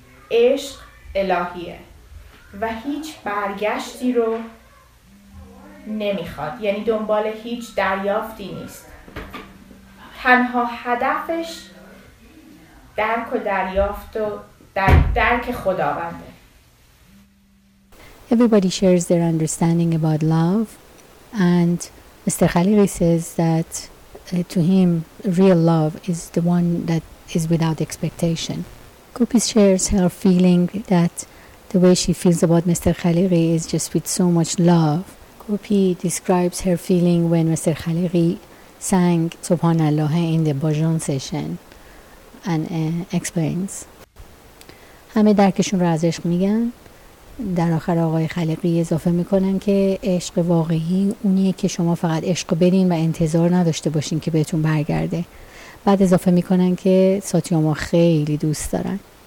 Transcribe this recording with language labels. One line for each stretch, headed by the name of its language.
Persian: عشق الهیه و هیچ برگشتی رو نمیخواد، یعنی دنبال هیچ دریافتی نیست. تنها هدفش درک و دریافت و درک خداونده.
English: Everybody shares their understanding about love, and Mr. Khaliri says that to him, real love is the one that is without expectation. Gopi shares her feeling that the way she feels about Mr. Khaliri is just with so much love. Gopi describes her feeling when Mr. Khaliri sang Subhanallah in the Bhajan session and explains.
Persian: همه درکشون رو از عشق میگن. در آخر آقای خلیقی اضافه میکنن که عشق واقعی اونیه که شما فقط عشق برین و انتظار نداشته باشین که بهتون برگرده. بعد اضافه میکنن که ساتیاما خیلی دوست دارن.